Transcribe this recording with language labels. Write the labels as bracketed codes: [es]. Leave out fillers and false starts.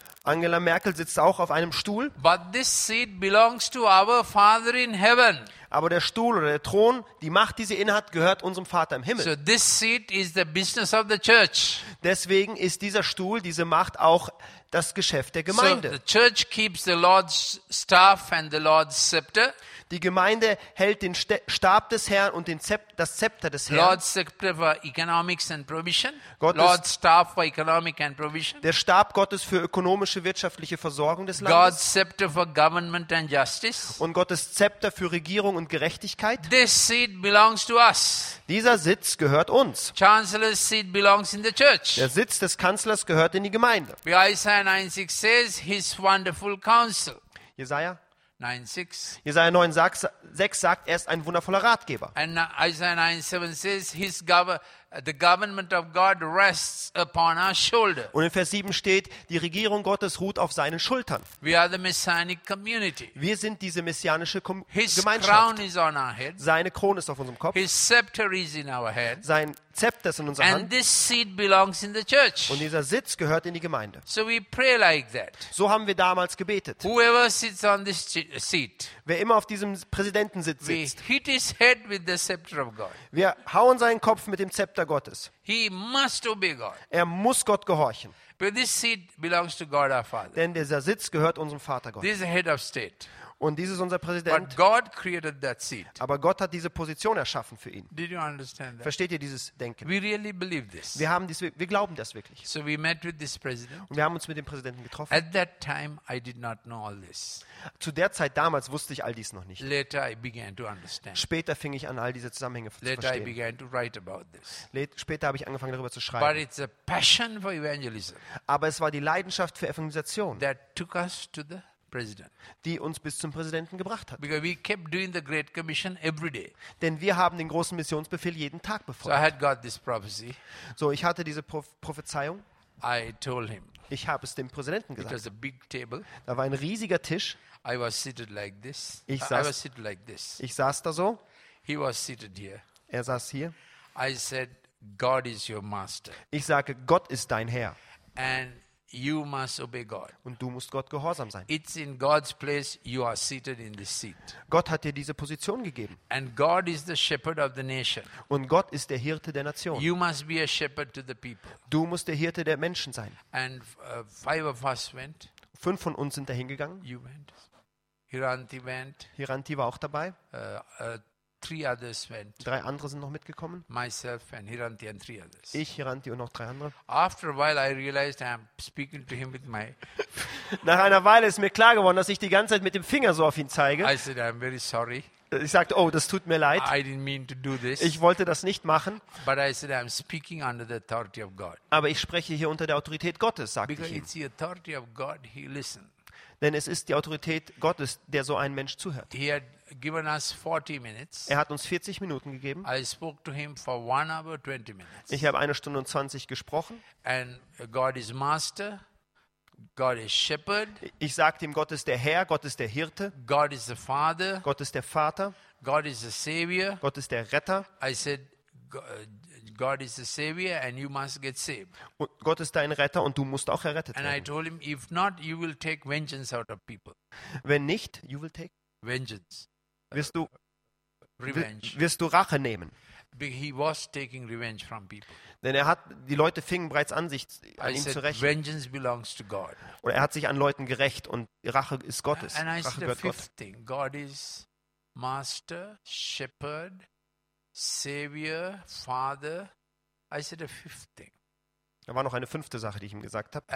[de] Angela Merkel sitzt auch auf einem Stuhl. [en] But this seat belongs to our Father in heaven. [de] Aber der Stuhl oder der Thron, die Macht, die sie innehat, gehört unserem Vater im Himmel. [en] So this seat is the business of the church. [de] Deswegen ist dieser Stuhl, diese Macht auch das Geschäft der Gemeinde. [en] So the church keeps the Lord's staff and the Lord's scepter. [de] Die Gemeinde hält den Stab des Herrn und den das Zepter des Herrn. [en] Lord's scepter for economics and provision. Lord's staff for economic and provision. [de] Der Stab Gottes für ökonomische wirtschaftliche Versorgung des Landes. [en] God's scepter for government and justice. [de] Und Gottes Zepter für Regierung und Gerechtigkeit. [en] This seat belongs to us. [de] Dieser Sitz gehört uns. [en] Chancellor's seat belongs in the church. [de] Der Sitz des Kanzlers gehört in die Gemeinde. Wie [en] Isaiah 9:6 says, his wonderful counsel. [de] Jesaja 9:6. Jesaja 9:6 sagt, er ist ein wundervoller Ratgeber. [en] And Isaiah 9:7 says, the government of God rests upon our shoulder. [de] Und in Vers 7 steht, die Regierung Gottes ruht auf seinen Schultern. [en] We are the messianic community. [de] Wir sind diese messianische Gemeinschaft. [en] His crown is on our head. [de] Seine Krone ist auf unserem Kopf. [en] His scepter is in our hand. [de] Sein Zepter ist in unserer Hand. [en] And this seat belongs in the church. [de] Und dieser Sitz gehört in die Gemeinde. [en] So we pray like that. [de] So haben wir damals gebetet. [en] Whoever sits on this seat. [de] Wer immer auf diesem Präsidentensitz sitzt. [en] We hit his head with the scepter of God. [de] Wir hauen seinen Kopf mit dem Zepter Gottes. [en] He must obey God. [de] Er muss Gott gehorchen. [en] But this seat belongs to God our Father. [de] Denn dieser Sitz gehört unserem Vater Gott. [en] This is the head of state. [de] Und dies ist unser Präsident. [en] But God created that seat. [de] Aber Gott hat diese Position erschaffen für ihn. [en] Did you understand that? [de] Versteht ihr dieses Denken? [en] We really believe this. [de] Wir haben dies, wir glauben das wirklich. [en] So we met with this president. [de] Und wir haben uns mit dem Präsidenten getroffen. [en] At that time I did not know all this. [de] Zu der Zeit damals wusste ich all dies noch nicht. [en] Later I began to understand. [de] Später fing ich an, all diese Zusammenhänge [en] Later [de] zu verstehen. [en] I began to write about this. [de] Später habe ich angefangen, darüber zu schreiben. [en] But it's a passion for evangelism. [de] Aber es war die Leidenschaft für Evangelisation. [en] That took us to the President. [de] Die uns bis zum Präsidenten gebracht hat. [en] Because we kept doing the Great Commission every day. [de] Denn wir haben den großen Missionsbefehl jeden Tag befolgt. [en] So I had got this prophecy. [de] So ich hatte diese Prophezeiung. [en] I told him. [de] Ich habe es dem Präsidenten gesagt. [en] It was a big table. [de] Da war ein riesiger Tisch. [en] I was seated like this. [de] Ich saß da so. [en] He was seated here. [de] Er saß hier. [en] I said, God is your master. [de] Ich sage, Gott ist dein Herr. [en] And you must obey God. [de] Und du musst Gott gehorsam sein. [en] It's in God's place you are seated in this seat. [de] Gott hat dir diese Position gegeben. [en] And God is the shepherd of the nation. [de] Und Gott ist der Hirte der Nation. [en] You must be a shepherd to the people. [de] Du musst der Hirte der Menschen sein. [en] And five of us went. [de] Fünf von uns sind dahin gegangen. [en] You went. Hiranti went. [de] Hiranti war auch dabei. [en] Three others went. [de] Drei andere sind noch mitgekommen. [en] Myself and Hiranti and three others. [de] Ich, Hiranti und noch drei andere. [en] After a while I realized I'm speaking to him with my. [de] Nach einer Weile ist mir klar geworden, dass ich die ganze Zeit mit dem Finger so auf ihn zeige. [en] I said I'm very sorry. [de] Ich sagte, oh, das tut mir leid. [en] I didn't mean to do this. [de] Ich wollte das nicht machen. [en] But I said I'm speaking under the authority of God. [de] Aber ich spreche hier unter der Autorität Gottes, sagte [en] Because [de] ich ihm. [en] Because it's the authority of God, he listened. [de] Denn es ist die Autorität Gottes, der so einen Mensch zuhört. [en] He had given us 40 minutes. [de] Er hat uns 40 Minuten gegeben. [en] I spoke to him for 1 hour 20 minutes. [de] Ich habe eine Stunde und 20 gesprochen. [en] And God is master, God is shepherd. [de] Ich sagte ihm, Gott ist der Herr, Gott ist der Hirte. [en] God is the Father. [de] Gott ist der Vater. [en] God is the Savior. [de] Gott ist der Retter. [en] I said, God is the savior and you must get saved. [de] Und Gott ist dein Retter und du musst auch errettet [en] and [de] werden. [en] And I told him if not you will take vengeance out of people. [de] Wenn nicht, [en] you will take vengeance. [de] Wirst du [en] revenge. [de] Wirst du Rache nehmen. [en] He was taking revenge from people. [de] Denn er hat die Leute fingen bereits an sich an ihm zu rächen. [en] Vengeance belongs to God. [de] Und er hat sich an Leuten gerecht und Rache ist Gottes. [en] And [de] Rache [en] said, [de] gehört [en] the fifth [de] Gott. [en] Thing. God is master, shepherd, savior, father. I said a fifth thing. [de] Da war noch eine fünfte Sache, die ich ihm gesagt habe.